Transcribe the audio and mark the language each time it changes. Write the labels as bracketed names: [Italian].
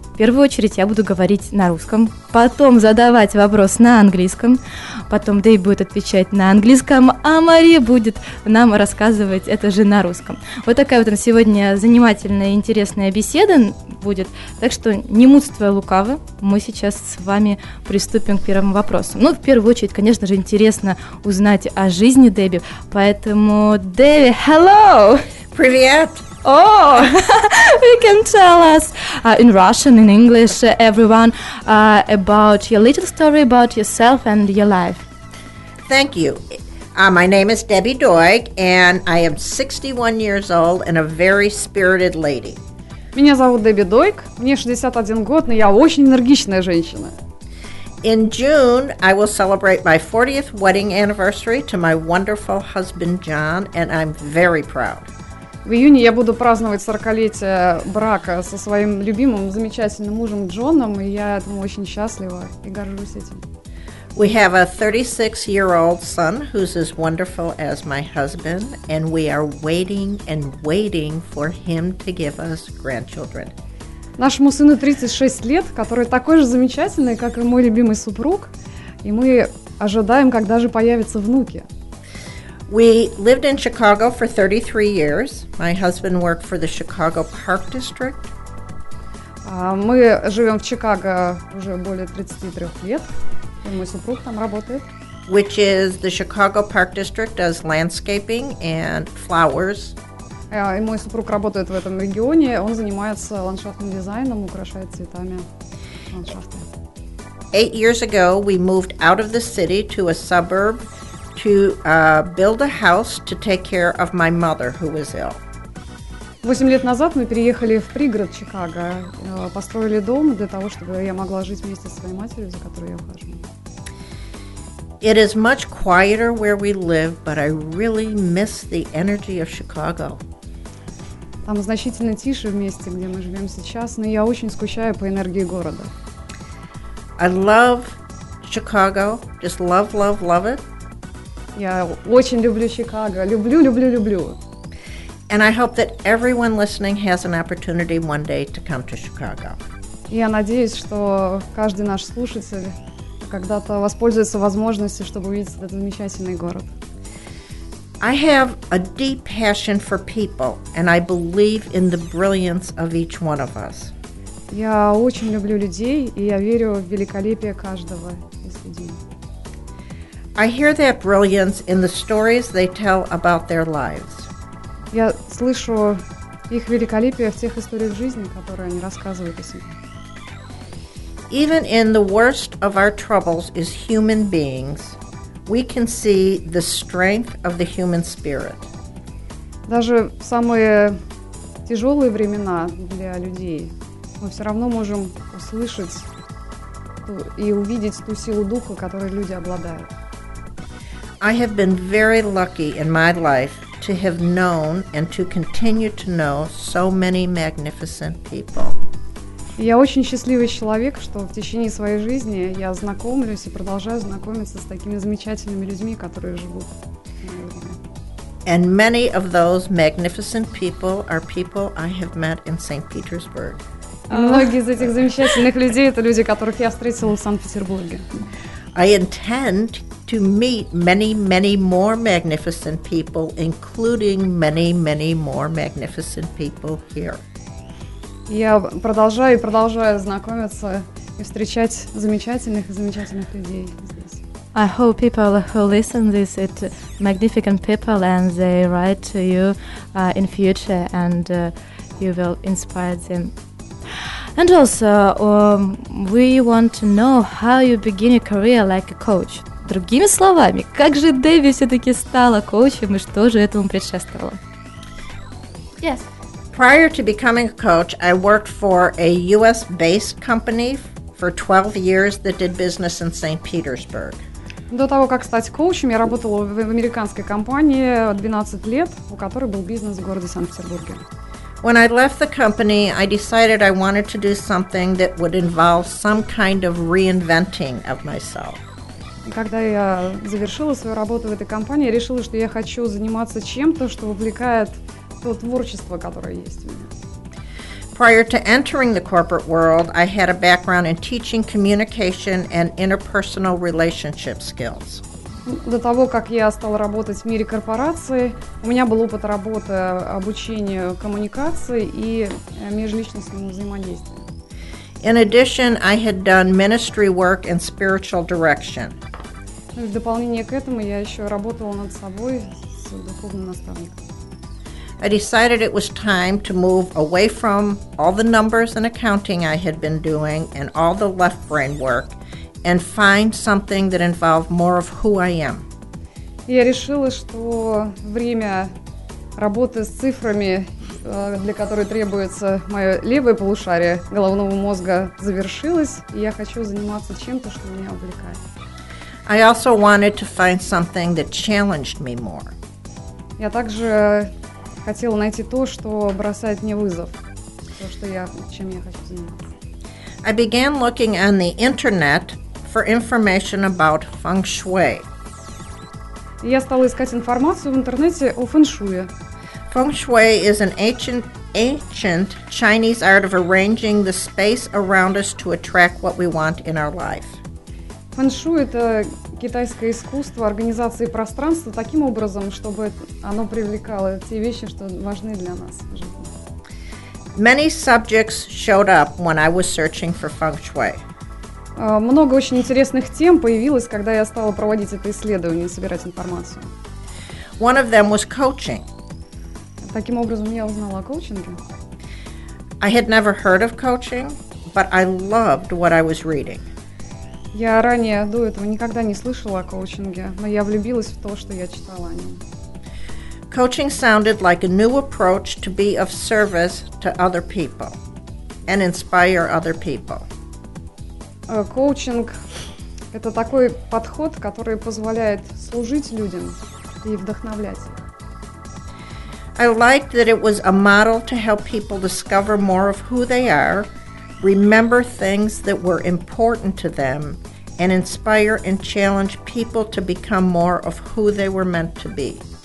[Russian] В первую очередь я буду говорить на русском, потом задавать вопрос на английском, потом Дэй будет отвечать на английском, а Мария будет нам рассказывать это же на русском. Вот такая вот у нас сегодня занимательная и интересная беседа будет. Так что, не мудствуя лукаво, мы сейчас с вами приступим к первому вопросу. Ну, в первую очередь, конечно же, интересно узнать о жизни Дебби. Поэтому, Дебби, [English] hello! [Russian] Привет! [English] Oh, you can tell us in Russian, in English, everyone, about your little story, about yourself and your life. Thank you. My name is Debby Doig, and I am 61 years old and a very spirited lady. [Russian] Меня зовут Дебби Дойк, мне 61 год, но я очень энергичная женщина. [English] In June, I will celebrate my 40th wedding anniversary to my wonderful husband John, and I'm very proud. [Russian] В июне я буду праздновать 40-летие брака со своим любимым, замечательным мужем Джоном, и я этому очень счастлива и горжусь этим. [English] We have a 36-year-old son who's as wonderful as my husband, and we are waiting and waiting for him to give us grandchildren. [Russian] Нашему сыну 36 лет, который такой же замечательный, как и мой любимый супруг, и мы ожидаем, когда же появятся внуки. [English] We lived in Chicago for 33 years. My husband worked for the Chicago Park District. [Russian] Мы живем в Чикаго уже более 33 лет. И мой супруг там работает. [English] Which is the Chicago Park District does landscaping and flowers. [Russian] И мой супруг работает в этом регионе. Он занимается ландшафтным дизайном, украшает цветами ландшафты. [English] 8 years ago we moved out of the city to a suburb to build a house to take care of my mother who was ill. [Russian] 8 лет назад мы переехали в пригород Чикаго, построили дом для того, чтобы я могла жить вместе со своей матерью, за которую я ухаживаю. [English] It is much quieter where we live, but I really miss the energy of Chicago. [Russian] Там значительно тише в месте, где мы живем сейчас, но я очень скучаю по энергии города. [English] I love Chicago, just love, love, love it. [Russian] Я очень люблю Чикаго, люблю, люблю, люблю. [English] And I hope that everyone listening has an opportunity one day to come to Chicago. [Russian] Я надеюсь, что каждый наш слушатель когда-то воспользуется возможностью, чтобы увидеть этот замечательный город. [English] I have a deep passion for people, and I believe in the brilliance of each one of us. [Russian] Я очень люблю людей, и я верю в великолепие каждого из людей. [English] I hear that brilliance in the stories they tell about their lives. [Russian] Я слышу их великолепие в тех историях жизни, которые они рассказывают о себе. [English] Even in the worst of our troubles as human beings, we can see the strength of the human spirit. [Russian] Даже в самые тяжелые времена для людей мы все равно можем услышать и увидеть ту силу духа, которой люди обладают. [English] I have been very lucky in my life to have known and to continue to know so many magnificent people. Я очень счастливый человек, что в течение своей жизни я знакомлюсь и продолжаю знакомиться с такими замечательными людьми, которые живут. And many of those magnificent people are people I have met in St. Petersburg. [Russian] Многие из этих замечательных людей — это люди, которых я встретила в Санкт-Петербурге. [English] I intend to meet many, many more magnificent people, including many, many more magnificent people here. [Russian] Я продолжаю и продолжаю знакомиться и встречать замечательных и замечательных людей здесь. [English] I hope people who listen this, it magnificent people, and they write to you in future, and you will inspire them. And also, we want to know how you begin your career like a coach. [Russian] Другими словами, как же Дэви все-таки стала коучем и что же этому предшествовало? [English] Yes. Prior to becoming a coach, I worked for a US-based company for 12 years that did business in St. Petersburg. [Russian] До того, как стать коучем, я работала в американской компании 12 лет, у которой был бизнес в городе Санкт-Петербурге. [English] When I left the company, I decided I wanted to do something that would involve some kind of reinventing of myself. [Russian] Когда я завершила свою работу в этой компании, я решила, что я хочу заниматься чем-то, что вовлекает то творчество, которое есть у меня. [English] Prior to entering the corporate world, I had a background in teaching communication and interpersonal relationship skills. [Russian] До того, как я стала работать в мире корпорации, у меня был опыт работы, обучения коммуникации и межличностному взаимодействию. [English] In addition, I had done ministry work and spiritual direction. [Russian] В дополнение к этому я еще работала над собой с духовным наставником. [English] I decided it was time to move away from all the numbers and accounting I had been doing and all the left brain work and find something that involved more of who I am. [Russian] Я решила, что время работы с цифрами, для которой требуется мое левое полушарие головного мозга, завершилось, и я хочу заниматься чем-то, что меня увлекает. [English] I also wanted to find something that challenged me more. [Russian] Я также хотела найти то, что бросает мне вызов, то, что я, чем я хочу заниматься. [English] I began looking on the internet for information about feng shui. [Russian] Я стала искать информацию в интернете о фэншуе. [English] Feng shui is an ancient Chinese art of arranging the space around us to attract what we want in our life. [Russian] Фэншуй — это китайское искусство организации пространства таким образом, чтобы оно привлекало те вещи, что важны для нас в жизни. [English] Many subjects showed up when I was searching for feng shui. [Russian] Много очень интересных тем появилось, когда я стала проводить это исследование, собирать информацию. [English] One of them was coaching. [Russian] Таким образом, я узнала о коучинге. [English] I had never heard of coaching, but I loved what I was reading. [Russian] Я ранее до этого никогда не слышала о коучинге, но я влюбилась в то, что я читала о нем. [English] Coaching sounded like a new approach to be of service to other people and inspire other people. [Russian] Коучинг — это такой подход, который позволяет служить людям и вдохновлять их. [English] I liked that it was a model to help people discover more of who they are, remember things that were important to them, and inspire and challenge people to become more of who they were meant to be.